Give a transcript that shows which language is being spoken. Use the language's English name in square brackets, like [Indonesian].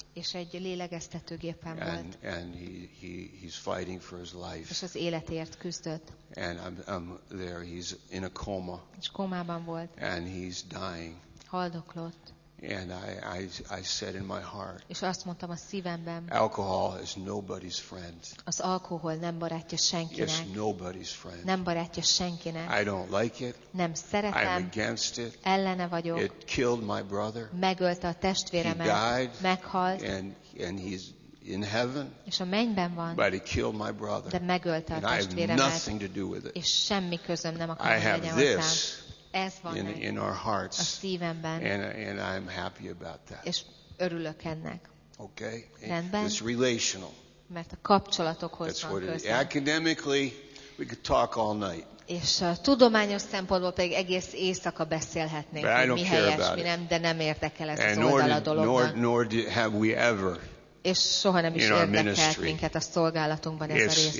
[Hungarian] És egy lélegeztetőgépen volt. [English] And he's fighting for his life. [Hungarian] És az életért küzdött. [English] And I'm there. He's in a coma. [Hungarian] És kómában volt. [English] And he's dying. [Hungarian] Haldoklott. [English] And I said in my heart. [Hungarian] És azt mondtam a szívemben. [English] Alcohol is nobody's friend. [Hungarian] Az alkohol nem barátja senkinek. [English] It's nobody's friend. [Hungarian] Nem barátja senkinek. [English] I don't like it. [Hungarian] Nem szeretem. [English] I'm against it. [Hungarian] Ellene vagyok. [English] It killed my brother. [Hungarian] Megölte a testvéremet. [English] He died. [Hungarian] Meghalt. [English] And he's in heaven. [Hungarian] És a mennyben van. [English] But it killed my brother. [Hungarian] De megölte a testvéremet. [English] And I have nothing to do with it. [Hungarian] És semmi közöm nem akarom. [English] I have this. [Hungarian] Ez van [English] in our hearts, [Hungarian] a szívemben, [English] and I'm happy about that. [Hungarian] És örülök ennek. [English] Okay. [Hungarian] Rendben? [English] It's relational. [Hungarian] Mert a kapcsolatokhoz van közben. [English] Academically, we could talk all night. [Hungarian] És a tudományos szempontból pedig egész éjszaka beszélhetnénk, [English] but [Hungarian] hogy [English] I don't [Hungarian] mi [English] care [Hungarian] helyes, [English] about [Hungarian] mi nem, de nem érdekel ez [English] and [Hungarian] az oldal a dolognak. [English] Nor have we ever. [Hungarian] És soha nem is érdekelt minket a szolgálatunkban ez a